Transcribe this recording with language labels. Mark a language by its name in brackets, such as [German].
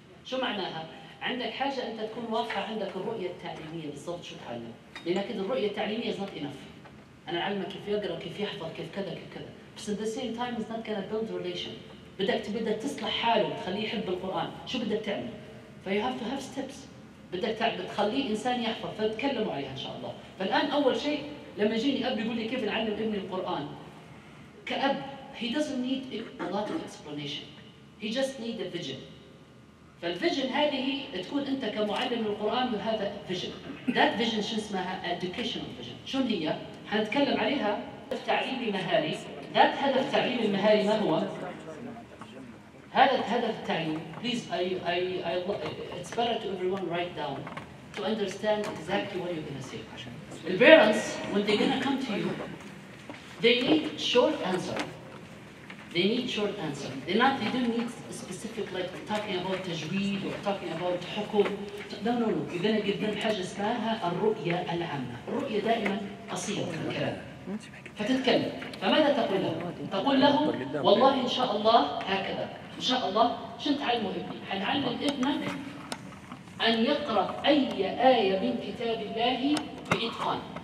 [Arabic] شو معناها؟ عندك حاجة أنت تكون واضحة عندك الرؤية التعليمية بالضبط شو تعلم؟ لأنكذا الرؤية التعليمية [English] is not enough. [Arabic] أنا أعلمك كيف يقرأ وكيف يحفظ كيف كذا كيف كذا. بس [English] at the same time it's not gonna build relation. [Arabic] بدك تبدأ تصلح حاله تخليه يحب القرآن. شو بدك تعمل؟ ف [English] you have to have steps. [Arabic] بدك تخليه إنسان يحفظ. فتكلموا عليها إن شاء الله. فالآن أول شيء لما جيني أب يقول لي كيف نعلم ابني القرآن؟ كأب [English] he doesn't need a lot of explanation. He just need a vision. [Arabic] فالvision هذه تكون أنت كمعلم القرآن بهذا vision. [English] That vision [Arabic] شو اسمها [English] educational vision. [Arabic] شو هي؟ هنتكلم عليها هدف تعليمي مهاري. ذات هدف تعليمي مهاري ما هو؟ هذا الهدف التعليمي. [English] Please, I it's better to everyone write down to understand exactly what you're gonna say. The parents, when they're gonna come to you, they need short answer. They need short answer. They not. They don't need specific like talking about تجويد or talking about حكم. No. You're gonna give them [Arabic] حاجة اسمها الرؤية العامة. الرؤية دائما قصيرة الكلام. فتتكلم. فماذا تقول له؟ تقول له والله إن شاء الله هكذا. إن شاء الله شن تعلمه ابني؟ هنعلم ابنك أن يقرأ أي آية من كتاب الله بإتقان.